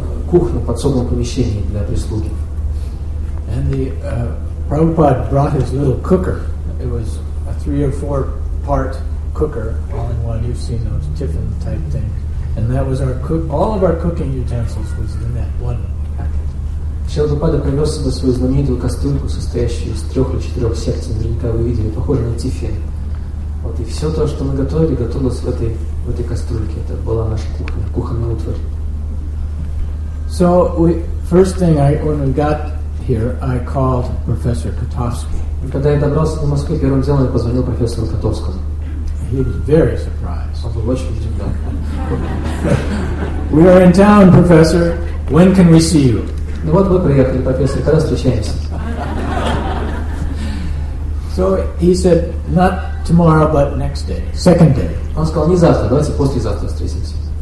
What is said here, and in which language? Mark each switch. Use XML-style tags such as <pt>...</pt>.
<ru>кухню, подсобном помещении для прислуги.</ru> <en>And the Prabhupada brought his little cooker. It was a 3 or 4 part cooker, all in one. You've seen those tiffin type things. And that was our cook. All of our cooking utensils was in that one packet.</en> <ru>Шрила Прабхупада принес с собой свою знаменитую кастрюльку, состоящую из 3 или 4 секций, наверняка вы видели, похожую на тиффин. Вот и все то, что мы готовили, готовилось в этой кастрюльке. Это была наша кухня, кухонная утварь.</ru> <en>So we first thing I when we got here, I called Professor Katovsky.</en> <ru>Когда я добрался до Москвы, первым делом я позвонил профессору Котовскому.</ru> <en>He was very surprised.</en> <ru>Он был очень удивлен.</ru> <en>We are in town, Professor. When can we see you?</en> <ru>Ну вот мы приехали, профессор. Когда встречаемся?</ru> <en>So he said, not tomorrow, but next day, second day.</en> <ru>Он сказал, не завтра, давайте послезавтра встретимся.</ru>